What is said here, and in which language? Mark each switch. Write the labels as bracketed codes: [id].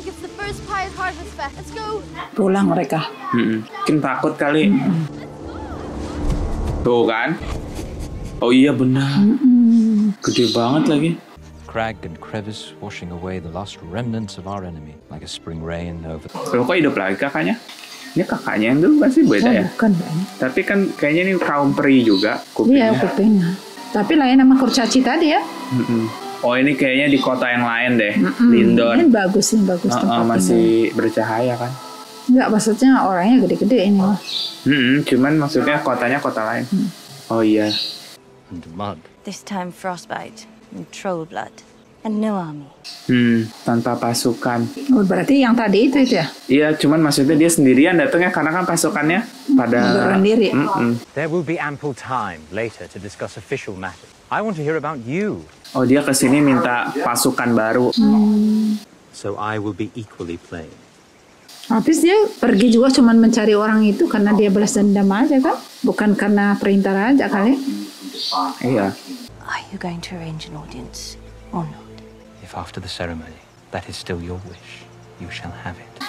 [en] gets the first pie of harvest fair. Let's go! [id] Pulang mereka. Mungkin takut kali. Tuh kan? Oh iya benar. Gede banget lagi. [en] Crag and crevice washing away the last remnants of our enemy like a spring rain over. [id] Loh, kok hidup lagi kakaknya? Ini kakaknya yang dulu pasti beda ya. Bukan, tapi kan kayaknya ini kaum peri juga kupingnya. Iya, kupingnya. Tapi lain nama kurcaci tadi ya. Oh, ini kayaknya di kota yang lain deh. Lindor. Ini bagus nih, bagus tempatnya. Masih bercahaya kan? Enggak, maksudnya orangnya gede-gede ini loh. Cuman maksudnya kotanya kota lain. Oh iya. [en] And mud. This time frostbite. And troll blood and no army. [id] Tanpa pasukan. Oh, berarti yang tadi itu ya? Iya, cuman maksudnya dia sendirian datangnya karena kan pasukannya pada sendiri. [en] There will be ample time later to discuss official matters. I want to hear about you. [id] Oh, dia kesini minta pasukan baru. [en] So I will be equally plain. [id] Habis dia pergi juga cuma mencari orang itu karena dia balas dendam aja kan? Bukan karena perintah raja kali? Iya. [en] Are you going to arrange an audience or not? If after the ceremony that is still your wish, you shall have it.